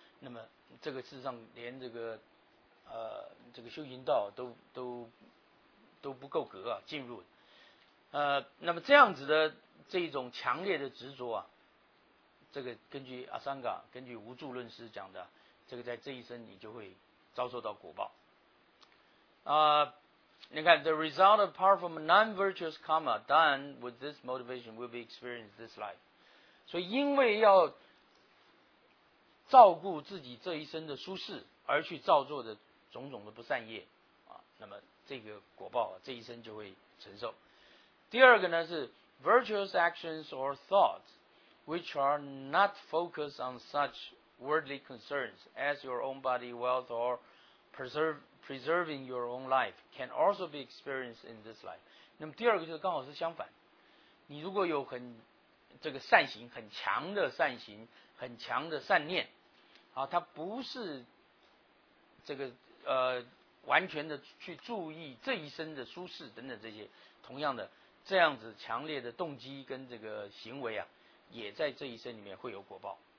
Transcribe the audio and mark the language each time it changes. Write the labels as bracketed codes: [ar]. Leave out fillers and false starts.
[zh] 那么这个事实上连这个这个修行道都不够格啊进入。那么这样子的这种强烈的执着啊，这个根据阿桑嘎，根据无助论师讲的，这个在这一生你就会遭受到果报。你看 [en] ,the result of powerful non-virtuous karma done with this motivation will be experienced this life. [zh] 所以因为要照顾自己这一生的舒适而去造作的种种的不善业啊，那么这个果报这一生就会承受。第二个呢是 [en] virtuous actions or thoughts which are not focused on such worldly concerns as your own body, wealth or preserving your own life can also be experienced in this life. [zh] 那么第二个就是刚好是相反，你如果有很这个善行，很强的善行，很强的善念啊，它不是这个完全的去注意这一生的舒适等等这些，同样的这样子强烈的动机跟这个行为啊，也在这一生里面会有果报。